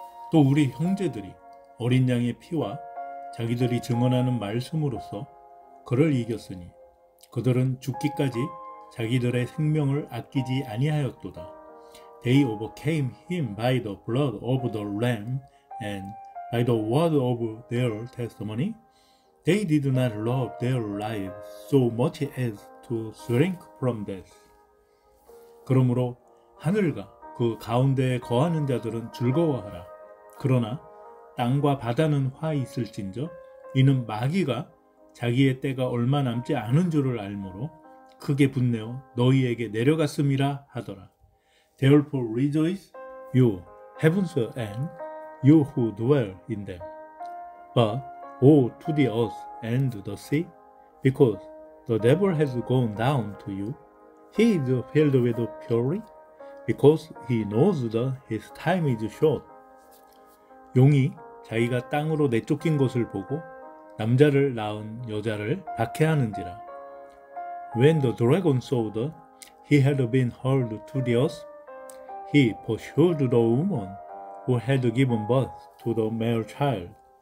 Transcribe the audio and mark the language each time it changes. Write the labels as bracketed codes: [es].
[ko] 또 우리 형제들이 어린 양의 피와 자기들이 증언하는 말씀으로써 그를 이겼으니 그들은 죽기까지 자기들의 생명을 아끼지 아니하였도다. [en] They overcame him by the blood of the lamb and by the word of their testimony. They did not love their lives so much as to shrink from death. [ko] 그러므로 하늘과 그 가운데에 거하는 자들은 즐거워하라. 그러나 땅과 바다는 화 있을진저 이는 마귀가 자기의 때가 얼마 남지 않은 줄을 알므로 크게 분내어 너희에게 내려갔음이라 하더라. [en] Therefore rejoice, you heavens and you who dwell in them. But woe to the earth and the sea, because the devil has gone down to you. He is filled with fury, because he knows that his time is short. [ko] 용이 자기가 땅으로 내쫓긴 것을 보고 남자를 낳은 여자를 박해하는지라. [en] When the dragon saw that he had been hurled to the earth, he pursued the woman who had given birth to the male child.